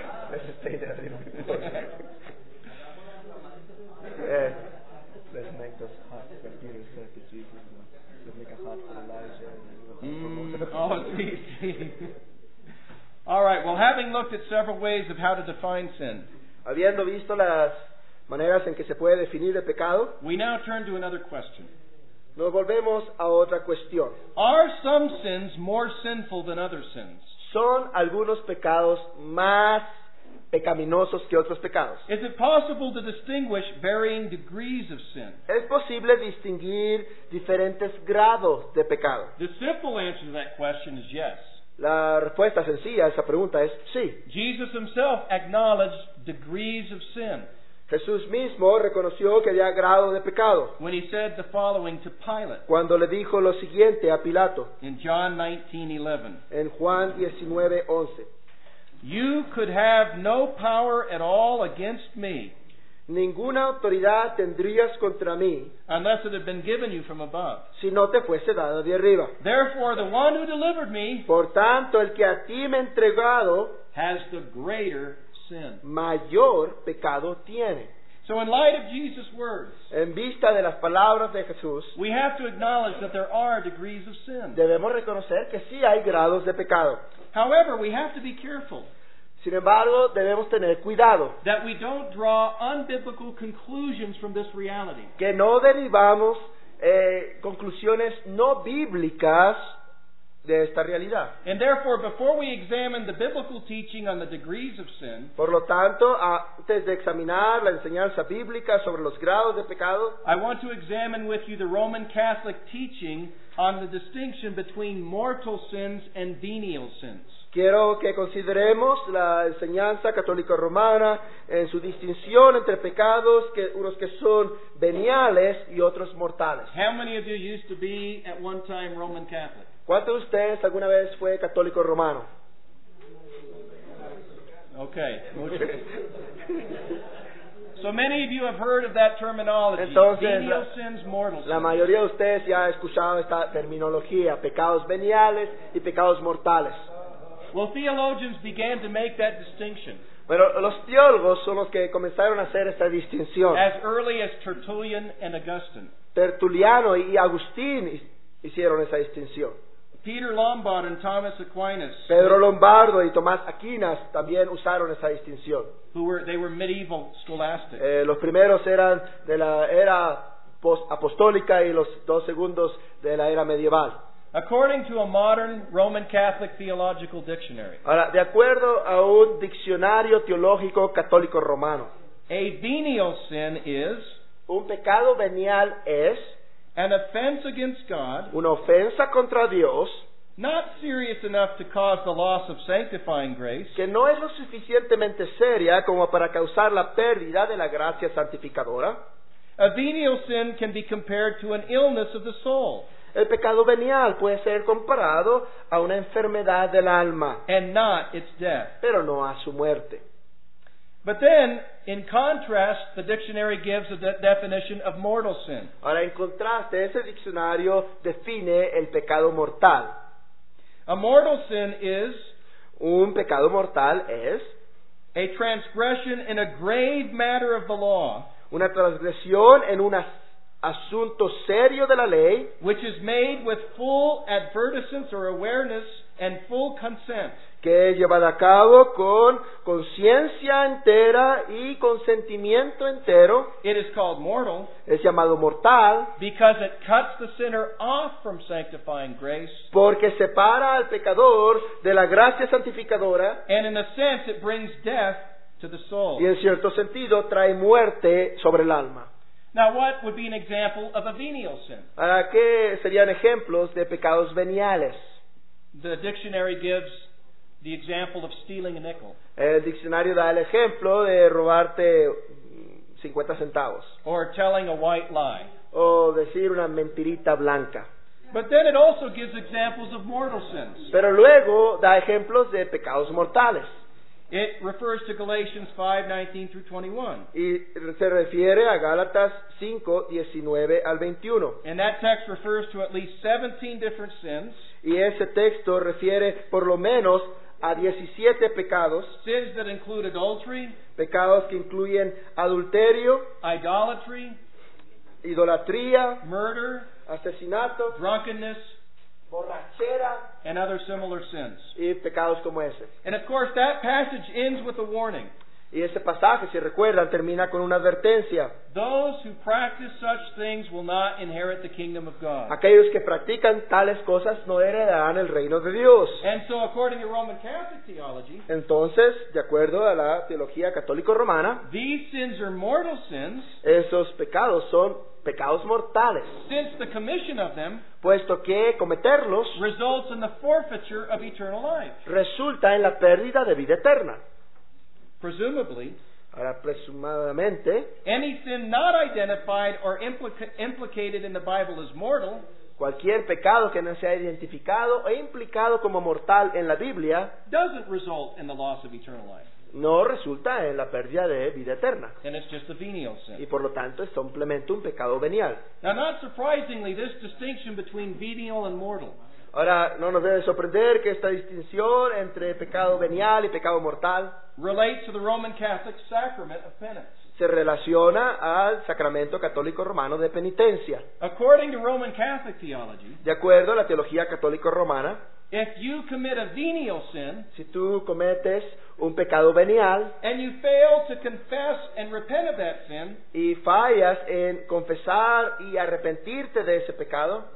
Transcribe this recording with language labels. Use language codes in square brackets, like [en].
[en] Let's stay there a little bit. Yeah. Let's make those hot for Peter, said to Jesus. Let's make a hot for Elijah. Oh, see. All right. Well, having looked at several ways of how to define sin, [es] habiendo visto las maneras en que se puede definir el pecado, [en] we now turn to another question. [es] Nos volvemos a otra cuestión. [en] Are some sins more sinful than other sins? [es] ¿Son algunos pecados más pecaminosos que otros pecados? [en] Is it possible to distinguish varying degrees of sin? [es] ¿Es posible distinguir diferentes grados de pecado? [en] The simple answer to that question is yes. [es] La respuesta sencilla a esa pregunta es sí. [en] Jesus himself acknowledged degrees of sin. [es] Jesús mismo reconoció que había grado de pecado. [en] When he said the following to Pilate, [es] cuando le dijo lo siguiente a Pilato. [en] In John 19:11. [es] En Juan 19:11. [en] You could have no power at all against me. [es] Ninguna autoridad tendrías contra mí. [en] Unless it had been given you from above. [es] Si no te fuese dado de arriba. [en] Therefore the one who delivered me. [es] Por tanto el que a ti me ha entregado. [en] Has the greater sin. [es] Mayor pecado tiene. [en] So in light of Jesus' words, [es] en vista de las palabras de Jesús, [en] we have to acknowledge that there are degrees of sin. [es] Debemos reconocer que sí hay grados de pecado. [en] However, we have to be careful. [es] Sin embargo, debemos tener cuidado. [en] That we don't draw unbiblical conclusions from this reality. [es] Que no derivamos conclusiones no bíblicas de esta realidad. [en] And therefore, before we examine the biblical teaching on the degrees of sin, [es] por lo tanto, antes de examinar la enseñanza bíblica sobre los grados de pecado, [en] I want to examine with you the Roman Catholic teaching on the distinction between mortal sins and venial sins. [es] Quiero que consideremos la enseñanza católica romana en su distinción entre pecados, que unos que son veniales y otros mortales. [en] How many of you used to be at one time Roman Catholic? [es] ¿Cuántos de ustedes alguna vez fue católico romano? [en] Okay. So many of you have heard of that terminology. [es] Entonces, [en] venial sins, mortal sins. [es] La mayoría de ustedes ya ha escuchado esta terminología, pecados veniales y pecados mortales. [en] Well, theologians began to make that distinction. [es] Pero los teólogos son los que comenzaron a hacer esta distinción. [en] As early as Tertullian and Augustine. [es] Tertuliano y Agustín hicieron esa distinción. [en] Peter Lombard and Thomas Aquinas. [es] Pedro Lombardo y Tomás Aquinas también usaron esa distinción. [en] They were medieval scholastics. [es] Los primeros eran de la era apostólica y los dos segundos de la era medieval. [en] According to a modern Roman Catholic theological dictionary. [es] Ahora, de acuerdo a un diccionario teológico católico romano. [en] A venial sin is. [es] Un pecado venial es. [en] An offense against God. [es] Una ofensa contra Dios. [en] Not serious enough to cause the loss of sanctifying grace. [es] Que no es lo suficientemente seria como para causar la pérdida de la gracia santificadora. [en] A venial sin can be compared to an illness of the soul. [es] El pecado venial puede ser comparado a una enfermedad del alma, [en] and not its death. [es] Pero no a su muerte. [en] But then, in contrast, the dictionary gives a definition of mortal sin. [es] Ahora, en contraste, ese diccionario define el pecado mortal. [en] A mortal sin is [es] un pecado mortal es [en] a transgression in a grave matter of the law. [es] Una transgresión en una asunto serio de la ley, [en] which is made with full advertisance or awareness and full consent, [es] que es llevada a cabo con conciencia entera y consentimiento entero. [en] It is called mortal, [es] es llamado mortal, [en] because it cuts the sinner off from sanctifying grace, [es] porque separa al pecador de la gracia santificadora, [en] and in a sense it brings death to the soul, [es] y en cierto sentido trae muerte sobre el alma. [en] Now, what would be an example of a venial sin? [es] ¿Para qué serían ejemplos de pecados veniales? [en] The dictionary gives the example of stealing a nickel. [es] El diccionario da el ejemplo de robarte 50 centavos. [en] Or telling a white lie. [es] O decir una mentirita blanca. [en] But then it also gives examples of mortal sins. [es] Pero luego da ejemplos de pecados mortales. [en] It refers to Galatians 5:19 through 21. [es] Y se refiere a Gálatas 5:19 al 21. [en] And that text refers to at least 17 different sins. [es] Y ese texto refiere por lo menos a 17 pecados. [en] Sins that include adultery. [es] Pecados que incluyen adulterio. [en] Idolatry. [es] Idolatría. [en] Murder. [es] Asesinato. [en] Drunkenness. [es] Borrachera, [en] and other similar sins. [es] Y pecados como ese. [en] And of course, that passage ends with a warning. [es] Y ese pasaje, si recuerdan, termina con una advertencia. [en] Those who practice such things will not inherit the kingdom of God. [es] Aquellos que practican tales cosas no heredarán el reino de Dios. [en] And so, according to Roman Catholic theology, [es] entonces, de acuerdo a la teología católico-romana, [en] these sins are mortal sins. [es] Esos pecados son pecados mortales. [en] Since the commission of them, [es] puesto que cometerlos [en] results in the forfeiture of eternal life. [es] Resulta en la pérdida de vida eterna. [en] Presumably, [es] ahora, presumadamente, [en] any sin not identified or implicated in the Bible is mortal. [es] Cualquier pecado que no sea identificado o implicado como mortal en la Biblia [en] doesn't result in the loss of eternal life. [es] No resulta en la pérdida de vida eterna. [en] And it's just a venial sin. [es] Y por lo tanto es simplemente un pecado venial. [en] Now, not surprisingly, this distinction between venial and mortal. [es] Ahora, no nos debe sorprender que esta distinción entre pecado venial y pecado mortal [en] relates to the Roman Catholic sacrament of penance. [es] Se relaciona al sacramento católico romano de penitencia. [en] According to Roman Catholic theology, [es] de acuerdo a la teología católico romana, [en] if you commit a venial sin, [es] si tú cometes un pecado venial, [en] and you fail to confess and repent of that sin, [es] y fallas en confesar y arrepentirte de ese pecado,